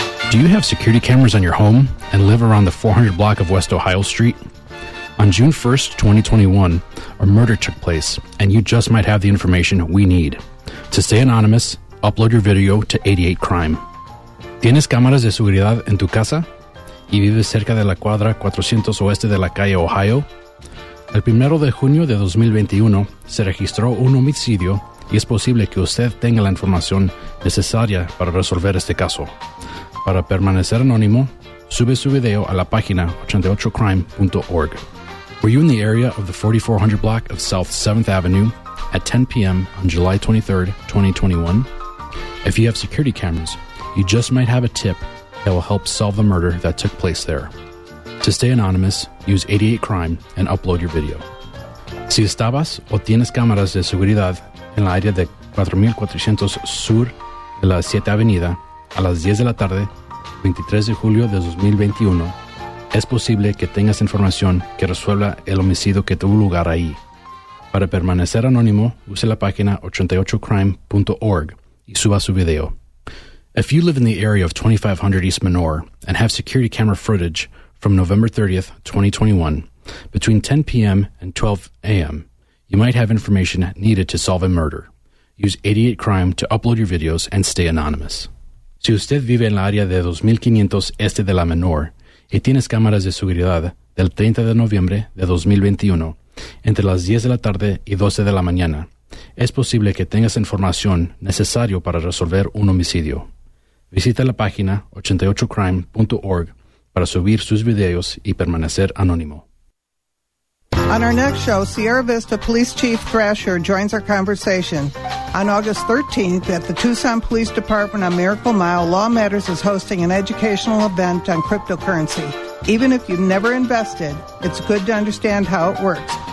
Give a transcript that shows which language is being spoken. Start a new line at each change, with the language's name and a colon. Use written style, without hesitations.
English: Do you have security cameras on your home and live around the 400 block of West Ohio Street? On June 1st, 2021, a murder took place, and you just might have the information we need. To stay anonymous, upload your video to 88Crime.
Spanish: ¿Tienes cámaras de seguridad en tu casa? ¿Y vives cerca de la cuadra 400 oeste de la calle Ohio? El 1 de junio de 2021, se registró un homicidio y es posible que usted tenga la información necesaria para resolver este caso. Para permanecer anónimo, sube su video a la página 88crime.org.
English: Were you in the area of the 4400 block of South 7th Avenue at 10 p.m. on July 23rd, 2021? If you have security cameras, you just might have a tip that will help solve the murder that took place there. To stay anonymous, use 88crime and upload your video.
Spanish: Si estabas o tienes cámaras de seguridad en la área de 4400 sur de la 7th Avenida a las 10 de la tarde, 23 de julio de 2021, es posible que tengas información que resuelva el homicidio que tuvo lugar ahí. Para permanecer anónimo, use la página 88crime.org y suba su video.
English: If you live in the area of 2500 East Menor and have security camera footage from November 30th, 2021, between 10 p.m. and 12 a.m., you might have information needed to solve a murder. Use 88crime to upload your videos and stay anonymous.
Spanish: Si usted vive en la área de 2500 Este de la Menor y tienes cámaras de seguridad del 30 de noviembre de 2021, entre las 10 de la tarde y 12 de la mañana, es posible que tengas información necesaria para resolver un homicidio. Visita la página 88crime.org para subir sus videos y permanecer anónimo.
English: On our next show, Sierra Vista Police Chief Thrasher joins our conversation. On August 13th at the Tucson Police Department on Miracle Mile, Law Matters is hosting an educational event on cryptocurrency. Even if you've never invested, it's good to understand how it works.